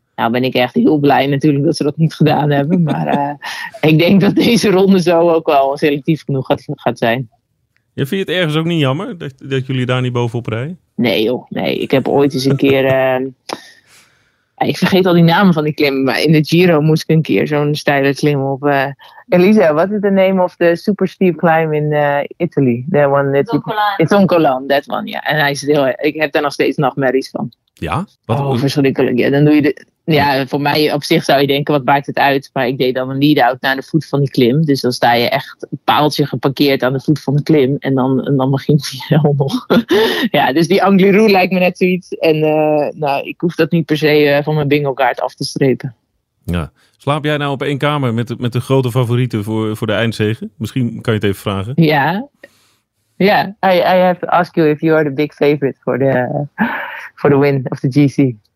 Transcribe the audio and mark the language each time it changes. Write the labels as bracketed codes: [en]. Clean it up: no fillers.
[nl] Nou ben ik echt heel blij natuurlijk dat ze dat niet gedaan hebben. Maar ik denk dat deze ronde zo ook wel selectief genoeg gaat zijn. Ja, vind je het ergens ook niet jammer dat jullie daar niet bovenop rijden? Nee joh, nee. Ik heb ooit eens een keer... ik vergeet al die namen van die klim. Maar in de Giro moest ik een keer zo'n steile klim op... [en] Elisa, what is the name of the super steep climb in Italy? The one that it's on Colan, that one, ja. [nl] En hij is heel, ik heb daar nog steeds nachtmerries van. Ja? Wat verschrikkelijk. Ja, dan doe je voor mij op zich zou je denken, wat maakt het uit? Maar ik deed dan een lead-out naar de voet van die klim. Dus dan sta je echt een paaltje geparkeerd aan de voet van de klim. En dan begint hij wel nog. Ja, dus die Angliru lijkt me net zoiets. En ik hoef dat niet per se van mijn bingo kaart af te strepen. Ja. Slaap jij nou op één kamer met de grote favorieten voor de eindzegen? Misschien kan je het even vragen. [en] Ja, I have to ask you if you are the big favorite for the win of the GC.